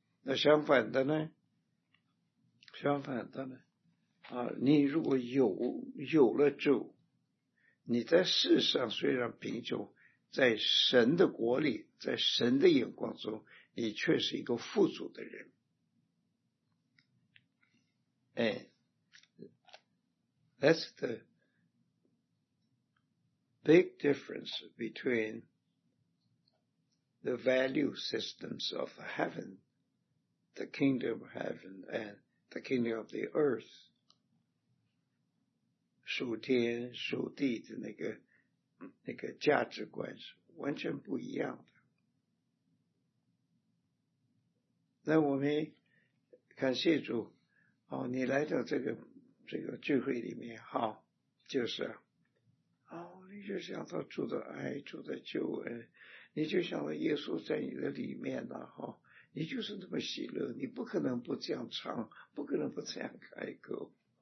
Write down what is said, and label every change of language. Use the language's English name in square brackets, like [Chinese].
[Chinese] 那相反的呢？相反的呢？啊，你如果有了主，你在世上虽然贫穷，在神的国里，在神的眼光中，你却是一个富足的人。 [English] 哎， That's the big difference between the value systems of heaven, the kingdom of heaven, and the kingdom of the earth. [Chinese] 属天属地的那个价值观是完全不一样的。那我们感谢主，哦，你来到这个聚会里面，好，就是，哦，你就想到主的爱，主的救恩，你就想到耶稣在你的里面了，哈，你就是那么喜乐，你不可能不这样唱，不可能不这样开口。